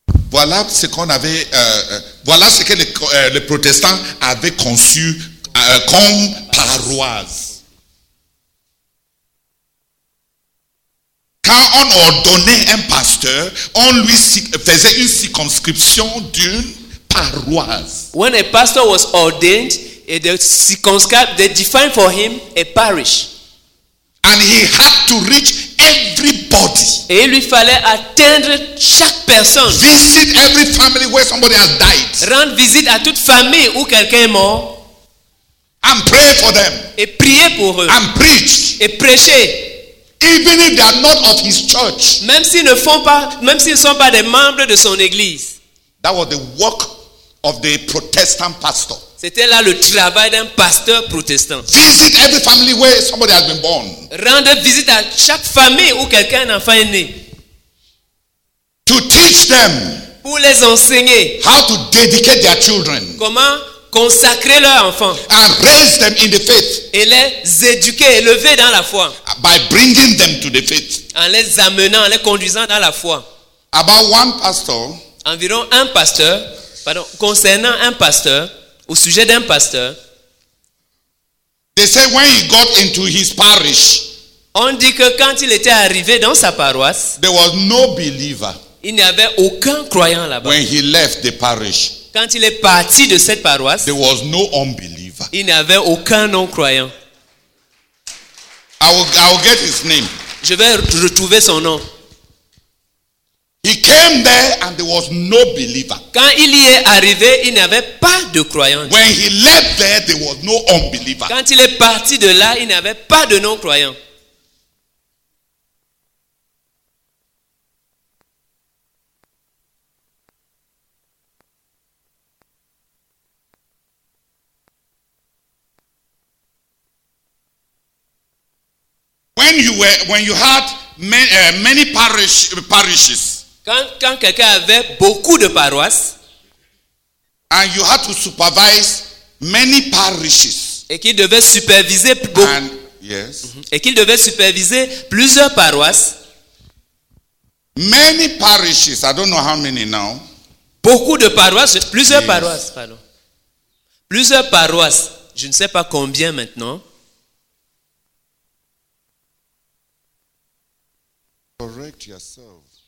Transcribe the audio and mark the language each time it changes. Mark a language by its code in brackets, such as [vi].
[fr] Voilà ce qu'on avait, voilà ce que les protestants avaient conçu comme paroisse. Quand on ordonnait un pasteur, on lui faisait une circonscription d'une paroisse. [en] When a pastor was ordained, they defined for him a parish. And he had to reach everybody. [fr] Et il lui fallait atteindre chaque personne. [en] Visit every family where somebody has died. [fr] Rendre visite à toute famille où quelqu'un est mort. [en] And pray for them. [fr] Et prier pour eux. [en] And preach. [fr] Et prêcher. [en] Even if they are not of his church. [fr] Même s'ils ne sont pas des membres de son église. [en] That was the work of the Protestant pastor. [fr] C'était là le travail d'un pasteur protestant. [en] Visit every family where somebody has been born. [fr] Rendre visite à chaque famille où quelqu'un un enfant est né. [en] To teach them. [fr] Pour les enseigner. [en] How to dedicate their children. [fr] Comment consacrer leurs enfants. [en] And raise them in the faith. [fr] Et les éduquer, élever dans la foi. [en] By bringing them to the faith. [fr] En les amenant, en les conduisant dans la foi. [en] About one pastor. [fr] Environ un pasteur. Pardon, concernant un pasteur, au sujet d'un pasteur, [en] they say when he got into his parish, [fr] on dit que quand il était arrivé dans sa paroisse, [en] there was no believer. [fr] Il n'y avait aucun croyant là-bas. [en] When he left the parish, [fr] quand il est parti de cette paroisse, [en] there was no unbeliever. [fr] Il n'y avait aucun non-croyant. [en] I will get his name. [fr] Je vais retrouver son nom. [en] He came there and there was no believer. [fr] Quand il y est arrivé, il n'y avait pas de croyant. [en] When he left there, there was no unbeliever. [fr] Quand il est parti de là, il n'y avait pas de non-croyant. [en] When you had many parishes. [fr] Quand quelqu'un avait beaucoup de paroisses, [en] and you had to supervise many parishes, [fr] et qu'il devait superviser beaucoup, [en] and, yes, [fr] et qu'il devait superviser plusieurs paroisses, [en] many parishes, I don't know how many now, [fr] beaucoup de paroisses, plusieurs yes. paroisses, pardon, plusieurs paroisses, je ne sais pas combien maintenant. [en] Correct yourself.